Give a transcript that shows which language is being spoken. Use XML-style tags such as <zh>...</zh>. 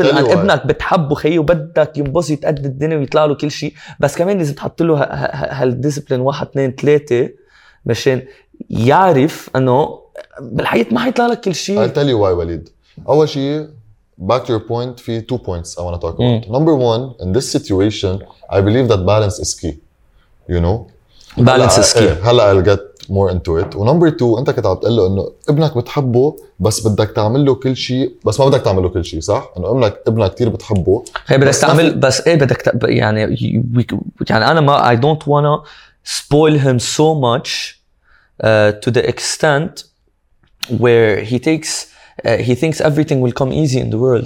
<ar>لأن ابنك بتحبه خيه وبدك ينبسط يتقد الدنيا ويطلع له كل شيء, بس كمان لازم تحط له هالديسبلين واحد اثنين ثلاثة مشان يعرف إنه بالحياة ما حيطلع لك كل شيء.</ar> <en>I'll tell you why, وليد. أول شيء, back to your point, في two points I want to talk about. Number one, in this situation, I believe that balance is key. You know. Balance is key. هلا I'll get more into it.</en> <ar>ونمبر 2, انت كنت عم بتقول له انه ابنك بتحبه بس بدك تعمل له كل شيء, بس ما بدك تعمل له كل شيء, صح؟ انه ابنك كثير بتحبه,</ar> <en>هي بدك تعمل, بس ايه بدك يعني انا ما I don't wanna spoil him so much to the extent where he thinks everything will come easy in the world,</en>